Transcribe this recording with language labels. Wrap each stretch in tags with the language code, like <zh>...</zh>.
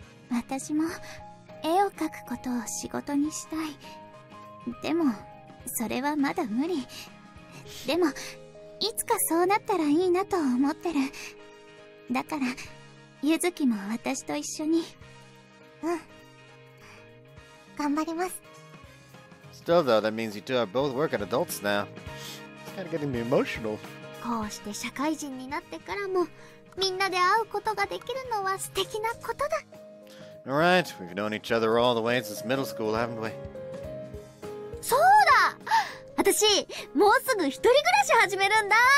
<ja>私も絵を描くことを仕事にしたい。でもそれはまだ無理。でもいつかそうなったらいいなと思ってる。だからゆずきも私と一緒に。頑張ります。</ja> <en>Still, though, that means you two are both working adults now. It's kind of getting me emotional.</en> <ja>こうして社会人になってからも、みんなで会うことができるのは素敵なことだ。</ja> <en>Alright, we've known each other all the way since middle school, haven't we?</en> <ja>そうだ！私、もうすぐ一人暮らし始めるんだ！</ja>